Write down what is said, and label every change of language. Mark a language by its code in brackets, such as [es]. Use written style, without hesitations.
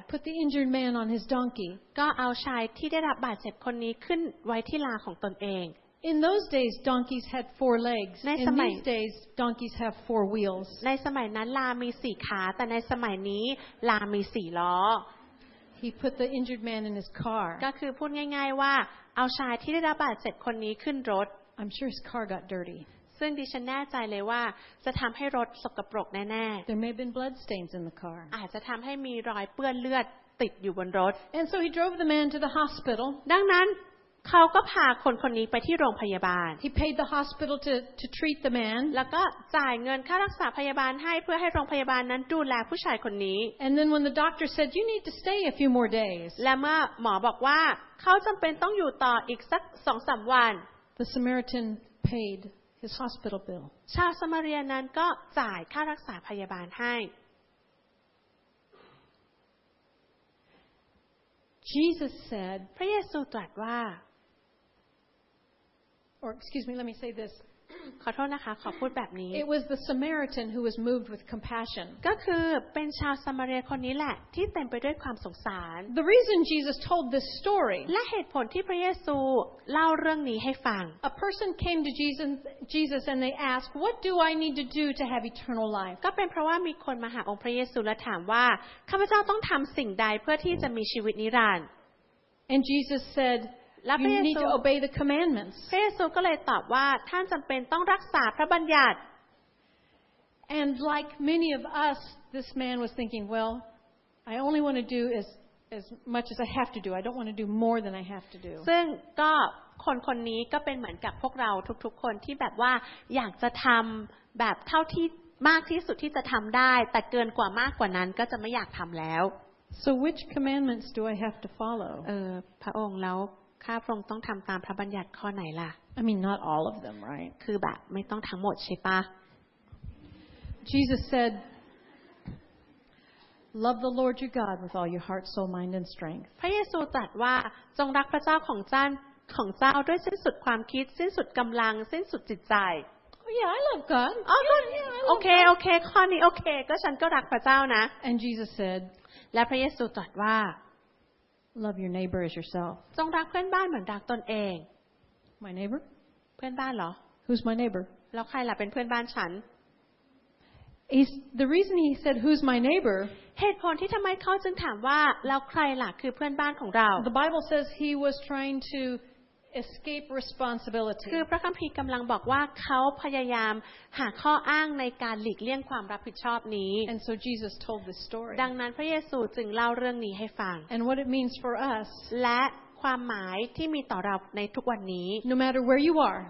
[en] put the injured man on his donkey. [th] ก็เอาชายที่ได้รับบาดเจ็บคนนี้ขึ้นไว้ที่ลาของตนเอง [en] In those days, donkeys had four legs. In these days, donkeys have four wheels. [th] ในสมัยนั้นลามีสี่ขาแต่ในสมัยนี้ลามีสี่ล้อ [en] He put the injured man in his car. [th] ก็คือพูดง่ายๆว่าเอาชายที่ได้รับบาดเจ็บคนนี้ขึ้นรถ [en] I'm sure his car got dirty. [th] ซึ่งดิฉันแน่ใจเลยว่าจะทำให้รถสกปรกแน่ๆ [en] There may have been blood stains in the car. [th] อาจจะทำให้มีรอยเปื้อนเลือดติดอยู่บนรถ [en] And so he drove the man to the hospital. [th] ดังนั้นเขาก็พาคนคนนี้ไปที่โรงพยาบาล [en] He paid the hospital to treat the man. [th] แล้วก็จ่ายเงินค่ารักษาพยาบาลให้เพื่อให้โรงพยาบาลนั้นดูแลผู้ชายคนนี้ [en] And then when the doctor said you need to stay a few more days. [th] และเมื่อหมอบอกว่าเขาจำเป็นต้องอยู่ต่ออีกสัก 2-3 วัน [en] The Samaritan paid his hospital bill. [th] ชาวซามาเรียนั้นก็จ่ายค่ารักษาพยาบาลให้ [en] Jesus said, [th] พระเยซูตรัสว่า [en] Or excuse me, let me say this. [th] ขอโทษนะคะขอพูดแบบนี้ [en] It was the Samaritan who was moved with compassion. [th] ก็คือเป็นชาวซามาเรียคนนี้แหละที่เต็มไปด้วยความสงสาร [en] The reason Jesus told this story. [th] และเหตุผลที่พระเยซูเล่าเรื่องนี้ให้ฟัง [en] A person came to Jesus and they asked, "What do I need to do to have eternal life?" [th] ก็เป็นเพราะว่ามีคนมาหาองค์พระเยซูและถามว่าข้าพเจ้าต้องทำสิ่งใดเพื่อที่จะมีชีวิตนิรันดร์ [en] And Jesus said,You need to obey the commandments. [th] พระเยซูก็เลยตอบว่าท่านจำเป็นต้องรักษาพระบัญญัติ [en] And like many of us, this man was thinking, well, I only want to do as much as I have to do. I don't want to do more than I have to do. [th] ซึ่งก็คนคนนี้ก็เป็นเหมือนกับพวกเราทุกๆคนที่แบบว่าอยากจะทำแบบเท่าที่มากที่สุดที่จะทำได้แต่เกินกว่ามากกว่านั้นก็จะไม่อยากทำแล้ว [en] So which commandments do I have to follow? [th] พระองค์แล้วข้าพระองค์ต้องทำตามพระบัญญัติข้อไหนล่ะ [en] I mean not all of them right [th] คือแบบไม่ต้องทั้งหมดใช่ปะ [en] Jesus said love the Lord your God with all your heart soul mind and strength [th] พระเยซูตรัสว่าจงรักพระเจ้าของเจ้าด้วยสิ้นสุดความคิดสิ้นสุดกำลังสิ้นสุดจิตใจ [en] Oh yeah I love God [th] โอเคข้อนี้โอเคก็ฉันก็รักพระเจ้านะ [en] And Jesus said [th] และพระเยซูตรัสว่า [en] Love your neighbor as yourself. [th] จงรักเพื่อนบ้านเหมือนรักตนเอง [en] My neighbor? [th] เพื่อนบ้านเหรอ [en] Who's my neighbor? [th] แล้วใครล่ะเป็นเพื่อนบ้านฉัน [en] Is the reason he said who's my neighbor? [th] เหตุผลที่ทำไมเขาจึงถามว่าแล้วใครล่ะคือเพื่อนบ้านของเรา [en] The Bible says he was trying to escape responsibility. [th] คือพระคัมภีร์กำลังบอกว่าเขาพยายามหาข้ออ้างในการหลีกเลี่ยงความรับผิดชอบนี้ [en] And so Jesus told the story. [th] ดังนั้นพระเยซูจึงเล่าเรื่องนี้ให้ฟัง [en] And what it means for us. [th] และความหมายที่มีต่อเราในทุกวันนี้ [en] No matter where you are.